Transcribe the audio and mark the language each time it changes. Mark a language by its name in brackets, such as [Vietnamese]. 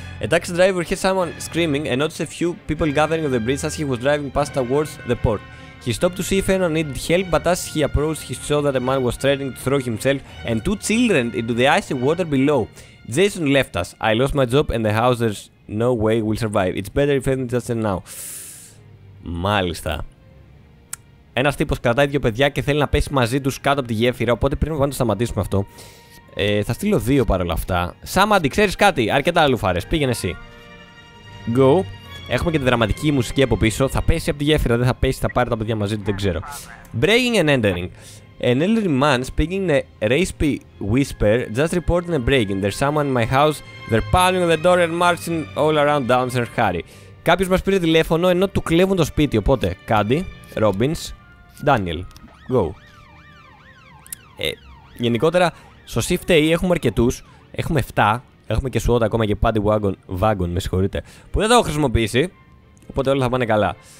[English] A taxi driver heard someone screaming and noticed a few people gathering on the bridge as he was driving past towards the port. He stopped to see if anyone needed help, but as he approached, he saw that a man was threatening to throw himself and two children into the icy water below. Jason left us. I lost my job and the house. There's no way we'll survive. It's better if anything doesn't now. [Greek] Μάλιστα. Ένας τύπος κρατάει δύο παιδιά και θέλει να πέσει μαζί τους κάτω από τη γέφυρα, οπότε πρέπει να το σταματήσουμε αυτό. Θα στείλω 2 παρόλα αυτά. Σάμαντι, ξέρεις κάτι, αρκετά λουφάρες, πήγαινε εσύ. Go. Έχουμε και τη δραματική μουσική από πίσω. Θα πέσει από τη γέφυρα, δεν θα πέσει, θα πάρει τα παιδιά μαζί του, δεν ξέρω. [English] Breaking and entering. An elderly man speaking in a raspy whisper just reporting a breaking. There's someone in my house. They're pounding on the door and marching all around down in a hurry. [Greek] Κάποιος μας πήρε τηλέφωνο ενώ του κλέβουν το σπίτι, οπότε Κάντι, Robbins, Daniel. Go. Γενικότερα. Στο Shift A έχουμε αρκετούς, έχουμε 7, έχουμε και SWAT ακόμα και Paddy Wagon, με συγχωρείτε, που δεν το έχω χρησιμοποιήσει, οπότε όλα θα πάνε καλά.